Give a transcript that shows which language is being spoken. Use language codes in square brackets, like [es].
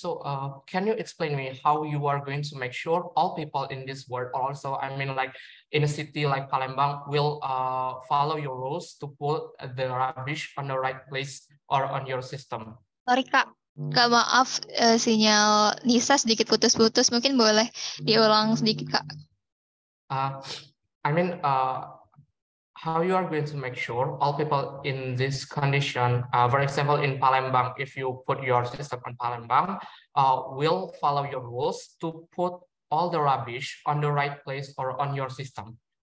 [en] So can you explain me how you are going to make sure all people in this world, also, I mean, like in a city like Palembang, will follow your rules to put the rubbish on the right place or on your system? [id] Sorry, Kak maaf, sinyal Nisa sedikit putus-putus. Mungkin boleh diulang sedikit, Kak. [en] How you are going to make sure all people in this condition, for example, in Palembang, if you put your system on Palembang, will follow your rules to put all the rubbish on the right place or on your system?